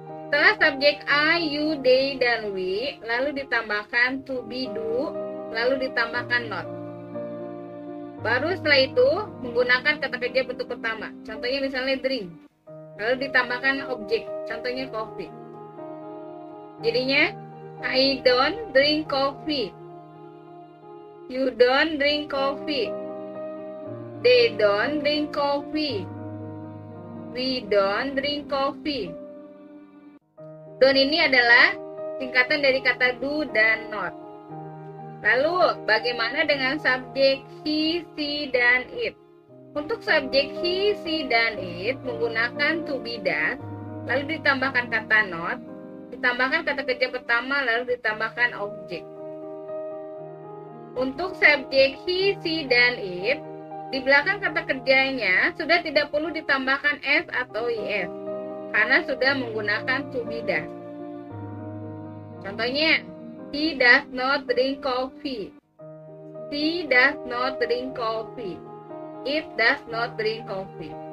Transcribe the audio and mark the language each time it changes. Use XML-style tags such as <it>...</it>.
<id>Setelah subjek I, you, they, dan we, lalu ditambahkan to be do, lalu ditambahkan not. Baru setelah itu menggunakan kata kerja bentuk pertama. Contohnya misalnya drink. Lalu ditambahkan objek. Contohnya coffee.</id> <en>Jadinya I don't drink coffee. You don't drink coffee. They don't drink coffee. We don't drink coffee.</en> <id>Don't ini adalah singkatan dari kata do dan not. Lalu, bagaimana dengan subjek he, she, dan it? Untuk subjek he, she, dan it menggunakan to be does, lalu ditambahkan kata not, ditambahkan kata kerja pertama, lalu ditambahkan objek. Untuk subjek he, she, dan it, di belakang kata kerjanya sudah tidak perlu ditambahkan s atau is, karena sudah menggunakan to be done.</id> <en>Contohnya, he does not drink coffee. She does not drink coffee. It does not drink coffee.</en>